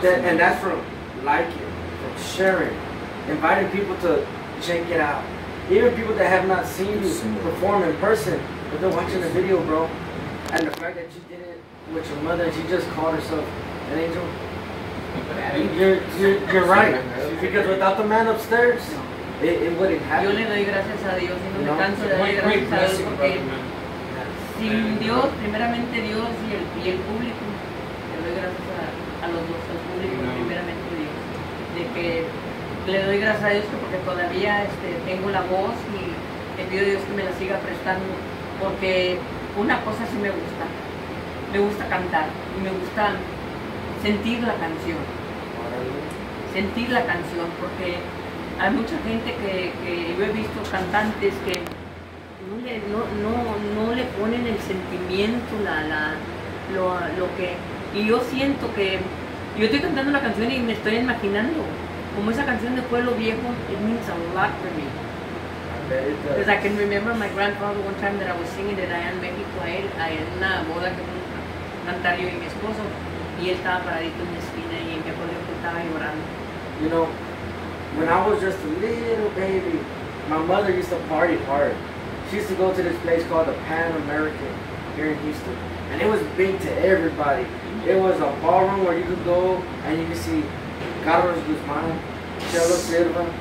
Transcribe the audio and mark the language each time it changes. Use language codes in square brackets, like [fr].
[en] And that's from liking, from sharing, inviting people to check it out. Even people that have not seen you perform in person, but they're watching the video, bro. And the fact that you did it with your mother, she just called herself an angel. You're right. Because without the man upstairs, it wouldn't happen. [es] Yo le doy gracias a Dios, y no me canso de dar gracias a Dios. Sin Dios, primeramente Dios y el público, le doy gracias a los dos, al público, no. Primeramente Dios. De que le doy gracias a Dios porque todavía tengo la voz y le pido a Dios que me la siga prestando. Porque una cosa sí me gusta cantar y me gusta sentir la canción. sentir la canción, porque hay mucha gente que yo he visto cantantes que no le ponen el sentimiento, lo que... Y yo siento que yo estoy cantando la canción y me estoy imaginando como esa canción de Pueblo Viejo, [en] it means a lot for me. Because I can remember my grandfather one time that I was singing it [es] allá en México, a él en una boda que fue cantar yo y mi esposo, y él estaba paradito en la esquina y en mi acordeón que estaba llorando. [en] You know, when I was just a little baby, my mother used to party hard. She used to go to this place called the Pan American here in Houston. And it was big to everybody. It was a ballroom where you could go and you could see Carlos Guzman, Chelo Silva.